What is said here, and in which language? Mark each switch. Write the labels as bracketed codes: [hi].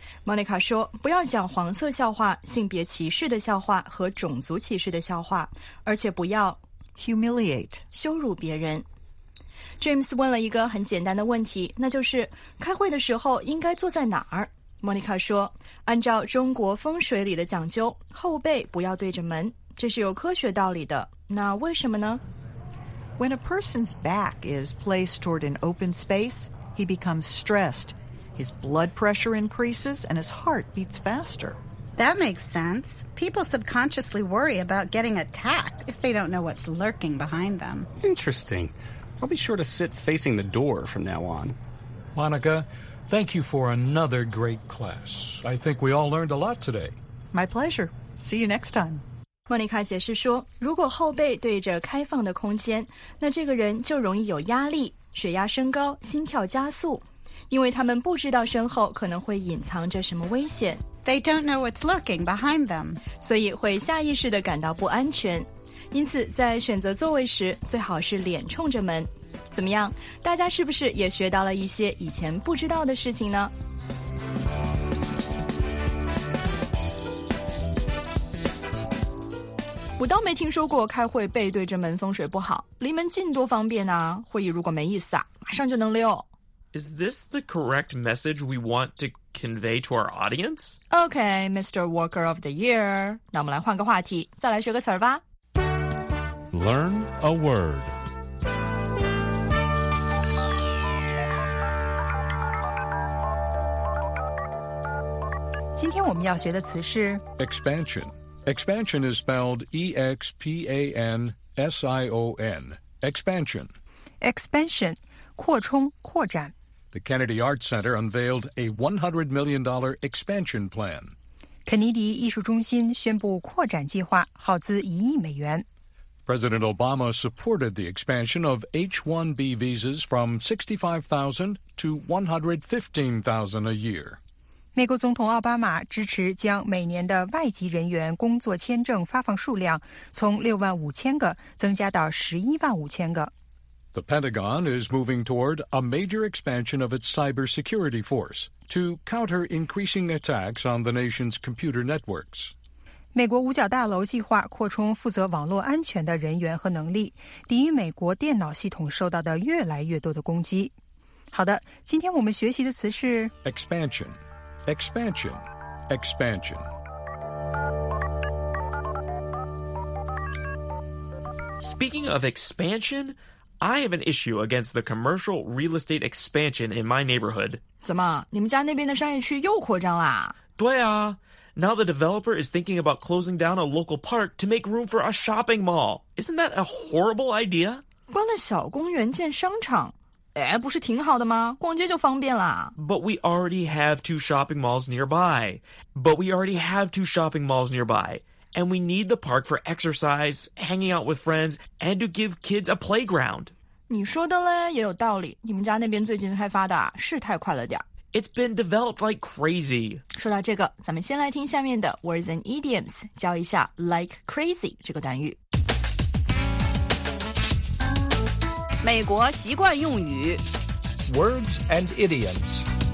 [zh] Monica 说，不要讲黄色笑话、性别歧视的笑话和种族歧视的笑话，而且不要 [en] humiliate [zh] 羞辱别人。 James 问了一个很简单的问题，那就是开会的时候应该坐在哪儿？ Monica 说，按照中国风水里的讲究，后背不要对着门，这是有科学道理的。那为什么呢？ [en] When a person's back is placed toward an open space, he becomes stressed. His blood pressure increases and his heart beats faster. That makes sense. People subconsciously worry about getting attacked if they don't know what's lurking behind them. Interesting. I'll be sure to sit facing the door from now on. Monica, thank you for another great class. I think we all learned a lot today. My pleasure. See you next time. [zh] 莫妮卡解释说，如果后背对着开放的空间，那这个人就容易有压力，血压升高，心跳加速，因为他们不知道身后可能会隐藏着什么危险。 [en] They don't know what's lurking behind them. [zh] 所以会下意识地感到不安全。因此在选择座位时，最好是脸冲着门。怎么样？大家是不是也学到了一些以前不知道的事情呢？我倒没听说过开会背对着门风水不好，离门近多方便啊，会议如果没意思啊，马上就能溜。 [en] Is this the correct message we want to convey to our audience? Okay, Mr. Worker of the Year. [zh] 那我们来换个话题，再来学个词儿吧。 [en] Learn a word. Today we're going to learn the word expansion. Expansion is spelled E-X-P-A-N-S-I-O-N. Expansion. [zh] Expansion, 扩充、扩展。 [en] The Kennedy Arts Center unveiled a $100 million expansion plan. [zh] 肯尼迪艺术中心宣布扩展计划，耗资$100 million。 [en] President Obama supported the expansion of H-1B visas from 65,000 to 115,000 a year. [zh] 美国总统奥巴马支持将每年的外籍人员工作签证发放数量从65,000个增加到115,000个。 [en] The Pentagon is moving toward a major expansion of its cybersecurity force to counter increasing attacks on the nation's computer networks. [zh] 美国五角大楼计划扩充负责网络安全的人员和能力，抵御美国电脑系统受到的越来越多的攻击。好的，今天我们学习的词是 [en] expansion, expansion, expansion. Speaking of expansion,I have an issue against the commercial real estate expansion in my neighborhood. [zh] 怎么，你们家那边的商业区又扩张啦？对啊。 [en] Now the developer is thinking about closing down a local park to make room for a shopping mall. Isn't that a horrible idea? [zh] 关了小公园建商场，哎，不是挺好的吗？逛街就方便啦。 [en] But we already have two shopping malls nearby. But we already have two shopping malls nearby. And we need the park for exercise, hanging out with friends, and to give kids a playground. [zh] 你说的嘞也有道理，你们家那边最近开发的是太快了点。 [en] It's been developed like crazy. [zh] 说到这个，咱们先来听下面的 Words and Idioms, 教一下 like crazy 这个单语。美国习惯用语 [en] Words and Idioms